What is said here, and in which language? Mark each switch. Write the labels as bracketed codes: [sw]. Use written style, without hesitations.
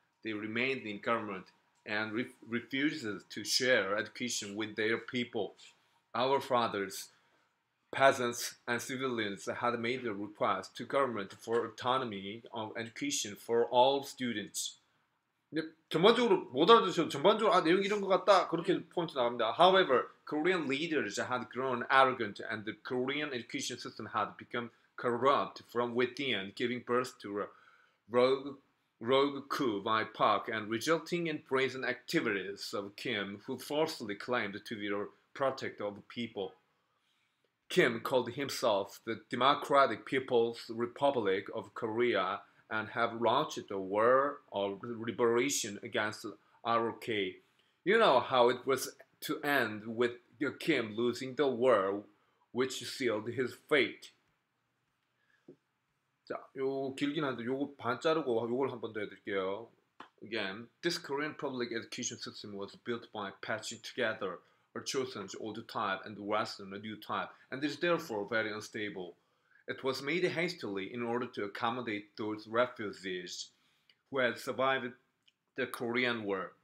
[en] They remained in government. And refuses to share education with their people. Our fathers, peasants, and civilians had made a request to government for autonomy of education for all students. [ko] 네, 전반적으로 못 알아들으셔도 전반적으로 아 내용 이런 것 같다 그렇게 포인트 나갑니다. [en] However, Korean leaders had grown arrogant, and the Korean education system had become corrupt from within, giving birth to a rogue coup by Park and resulting in brazen activities of Kim, who falsely claimed to be the protector of the people. Kim called himself the Democratic People's Republic of Korea and have launched a war of liberation against ROK. You know how it was to end with Kim losing the war, which sealed his fate. [ko] 자, 요 길긴 한데 요거 반 자르고 요걸 한 번 더 해드릴게요. [en] Again, this Korean public education system was built by patching together a chosen old type and Western a new type, and is therefore very unstable. It was made hastily in order to accommodate those refugees who had survived the Korean War.